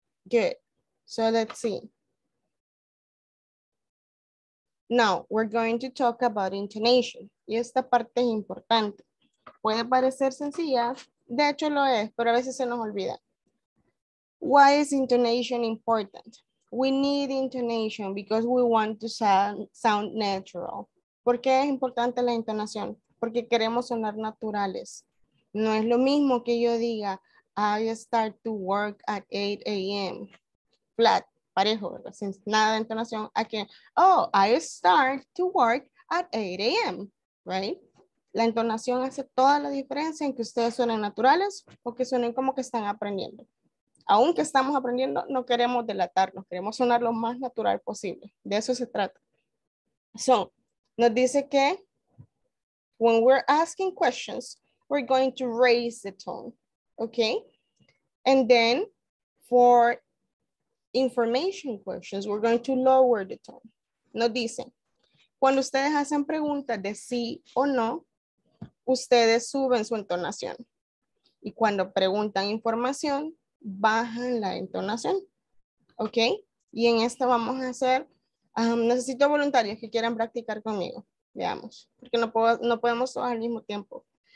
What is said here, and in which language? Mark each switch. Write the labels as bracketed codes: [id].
[en] Good. So let's see. Now we're going to talk about intonation. [es] Y esta parte es importante. Puede parecer sencilla, de hecho lo es, pero a veces se nos olvida. [en] Why is intonation important? We need intonation because we want to sound natural. [es] ¿Por qué es importante la entonación? Porque queremos sonar naturales. No es lo mismo que yo diga, [en] I start to work at 8 a.m. Flat, [es] parejo, sin nada de entonación. A que, [en] oh, I start to work at 8 a.m., right? [es] La entonación hace toda la diferencia en que ustedes suenen naturales o que suenen como que están aprendiendo. Aunque estamos aprendiendo, no queremos delatarnos, queremos sonar lo más natural posible. De eso se trata. [en] So, [es] nos dice que [en] when we're asking questions, we're going to raise the tone, okay? And then for information questions, we're going to lower the tone. [es] Nos dice, cuando ustedes hacen preguntas de sí o no, ustedes suben su entonación. Y cuando preguntan información, bajan la entonación, ¿ok? Y en esta vamos a hacer, necesito voluntarios que quieran practicar conmigo, veamos, porque no puedo, no podemos todos al mismo tiempo.